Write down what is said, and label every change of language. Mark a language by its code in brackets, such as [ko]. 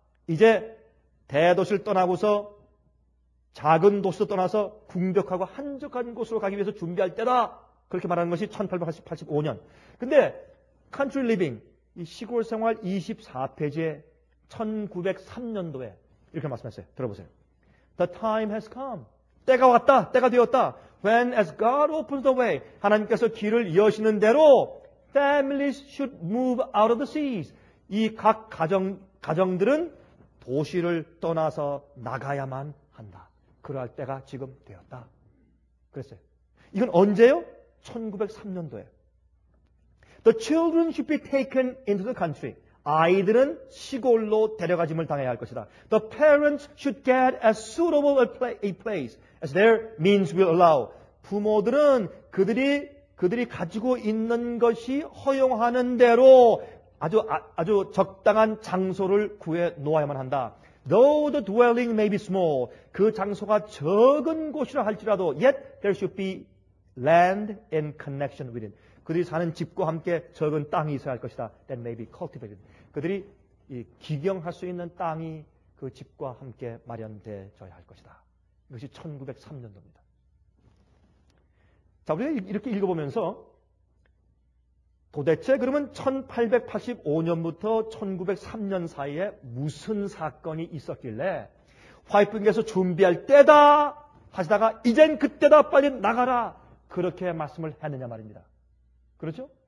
[ko] 이제 대도시를 떠나고서 작은 도시도 떠나서 궁벽하고 한적한 곳으로 가기 위해서 준비할 때다. 그렇게 말하는 것이 1885년. 근데 Country Living, 이 시골 생활 24페이지에 1903년도에 이렇게 말씀했어요. 들어보세요. [en] The time has come. [ko] 때가 왔다. 때가 되었다. [en] When as God opens the way. [ko] 하나님께서 길을 여시는 대로 [en] families should move out of the seas. [ko] 이 각 가정들은 도시를 떠나서 나가야만 한다. 그러할 때가 지금 되었다. 그랬어요. 이건 언제요? 1903년도에. [en] The children should be taken into the country. [ko] 아이들은 시골로 데려가짐을 당해야 할 것이다. [en] The parents should get as suitable a place as their means will allow. [ko] 부모들은 그들이 가지고 있는 것이 허용하는 대로 아주 적당한 장소를 구해 놓아야만 한다. [en] Though the dwelling may be small, [ko] 그 장소가 적은 곳이라 할지라도, [en] yet there should be land in connection with it. [ko] 그들이 사는 집과 함께 적은 땅이 있어야 할 것이다. [en] That may be cultivated. [ko] 그들이 기경할 수 있는 땅이 그 집과 함께 마련되어야 할 것이다. 이것이 1903년도입니다. 자, 우리가 이렇게 읽어보면서 도대체 그러면 1885년부터 1903년 사이에 무슨 사건이 있었길래 화이트분께서 준비할 때다 하시다가 이젠 그때다 빨리 나가라 그렇게 말씀을 했느냐 말입니다. 그렇죠?